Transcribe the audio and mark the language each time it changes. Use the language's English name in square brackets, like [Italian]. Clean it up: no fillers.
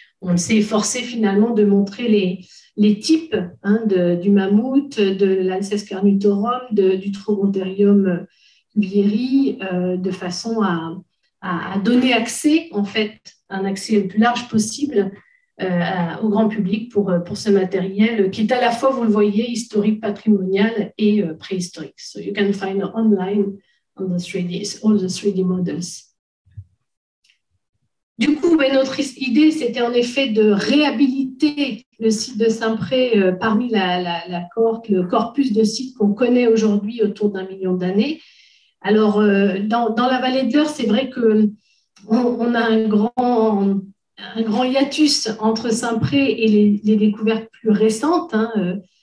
[French] On s'est forcé finalement de montrer les types hein, du mammouth, de l'Alces carnutorum, du Trogontarium vieri, de façon à donner accès, en fait, un accès le plus large possible au grand public pour ce matériel qui est à la fois, vous le voyez, historique, patrimonial et préhistorique. [English] So you can find online on the 3D, all the 3D models. [French] Du coup, ben, notre idée, c'était en effet de réhabiliter le site de Saint-Pré parmi la cohorte, le corpus de sites qu'on connaît aujourd'hui autour d'un million d'années. Alors, dans la vallée de l'Eure, c'est vrai qu'on a un grand hiatus entre Saint-Pré et les découvertes plus récentes. Hein.